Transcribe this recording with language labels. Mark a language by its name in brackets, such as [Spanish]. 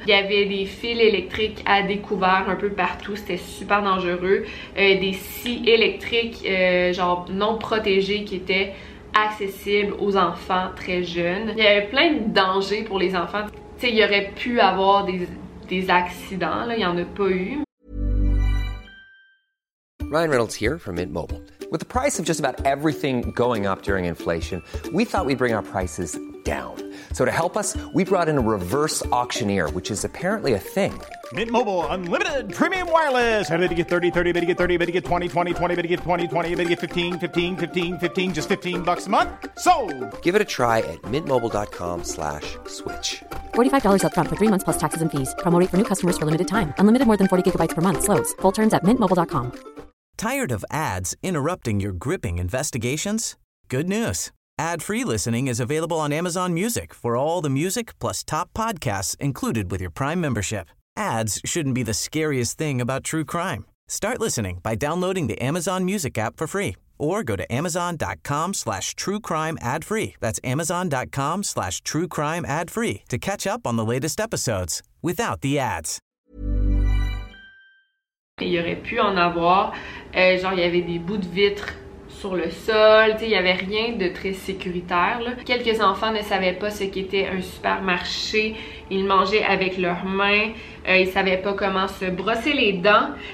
[French] Il y avait des fils électriques à découvert un peu partout, c'était super dangereux. Des scies électriques genre non protégées qui étaient accessible aux enfants très jeunes. Il y avait plein de dangers pour les enfants. Tu sais, il y aurait pu avoir des accidents, là, il y en a pas eu. [English] Ryan Reynolds here from Mint Mobile. With the price of just about everything going up during inflation, we thought we'd bring our prices down. So to help us, we brought in a reverse auctioneer, which is apparently a thing. Mint Mobile Unlimited Premium Wireless. How to get 30, 30, how to get 30, how to get 20, 20, 20, how to get 20, 20, how to get 15, 15, 15, 15, just $15 a month? Sold! Give it a try at mintmobile.com/switch. $45 up front for 3 months plus taxes and fees. Promo rate for new customers for limited time. Unlimited more than 40 gigabytes per month. Slows full terms at mintmobile.com. Tired of ads interrupting your gripping investigations? Good news. Ad-free listening is available on Amazon Music for all the music plus top podcasts included with your Prime membership. Ads shouldn't be the scariest thing about true crime. Start listening by downloading the Amazon Music app for free or go to amazon.com/truecrimeadfree. That's amazon.com/truecrimeadfree to catch up on the latest episodes without the ads. [French] Il y aurait pu en avoir, genre il y avait des bouts de vitre sur le sol, tu sais, il y avait rien de très sécuritaire là. Quelques enfants ne savaient pas ce qu'était un supermarché, ils mangeaient avec leurs mains, ils savaient pas comment se brosser les dents.